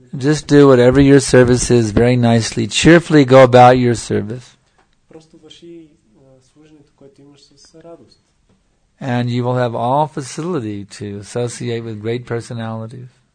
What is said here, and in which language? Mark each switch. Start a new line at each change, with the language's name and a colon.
English: Just do whatever your service is very nicely. Cheerfully go about your service.
Bulgarian: Просто върши служението, което имаш с радост.
English: And you will have all facility to associate with great personalities.